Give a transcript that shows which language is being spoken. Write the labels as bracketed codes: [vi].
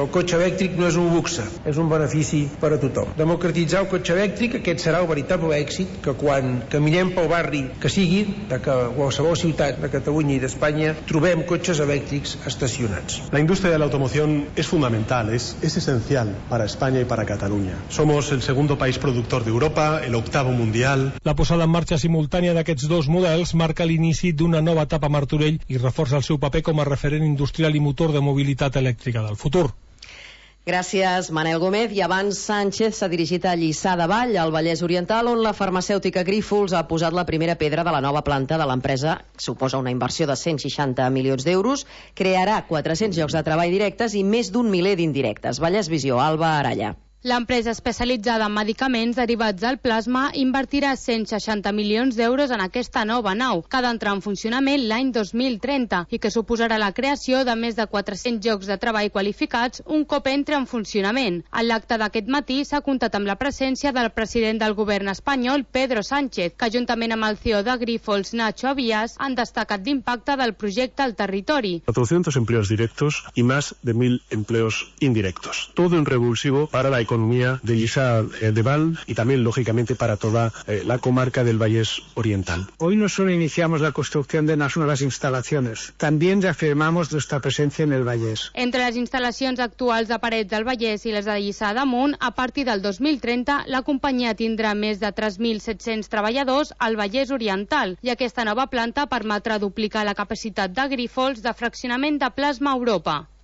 [ca] El cotxe elèctric no és un luxe, és un benefici per a tothom. Democratitzar el cotxe elèctric, aquest serà el veritable èxit, que quan caminem pel barri que sigui, de qualsevol ciutat de Catalunya i d'Espanya, trobem cotxes elèctrics estacionats. La indústria de l'automoció és fundamental, és essencial per a Espanya i per a Catalunya. [es] Somos el segundo país productor d'Europa, el octavo mundial. [ca] La posada en marxa simultània d'aquests dos models marca l'inici d'una nova etapa a Martorell i reforça el seu paper com a referent industrial i motor de mobilitat elèctrica del futur. Gràcies, Manel Gómez. I abans, Sánchez s'ha dirigit a Lliçà de Vall, al Vallès Oriental, on la farmacèutica Grífols ha posat la primera pedra de la nova planta de l'empresa. Suposa una inversió de 160 milions d'euros, crearà 400 llocs de treball directes i més d'un miler d'indirectes. Vallès Visió, Alba Aralla. L'empresa especialitzada en medicaments derivats del plasma invertirà 160 milions d'euros en aquesta nova nau, que ha d'entrar en funcionament l'any 2030 i que suposarà la creació de més de 400 llocs de treball qualificats un cop entri en funcionament. En l'acte d'aquest matí s'ha comptat amb la presència del president del govern espanyol, Pedro Sánchez, que juntament amb el CEO de Grifols, Nacho Avías, han destacat l'impacte del projecte al territori. [es] 400 empleos directos y más de 1.000 empleos indirectos. Todo en revulsivo para la economía de Lliçà de Vall y también, lógicamente, para toda la comarca del Vallès Oriental. Hoy no solo iniciamos la construcción de las nuevas instalaciones, también reafirmamos nuestra presencia en el Vallès. [ca] Entre les instal·lacions actuals de Parets del Vallès i les de Lliçà d'Amunt, a partir del 2030, la companyia tindrà més de 3.700 treballadors al Vallès Oriental i aquesta nova planta permetrà duplicar la capacitat de Grifols de fraccionament de plasma a Europa.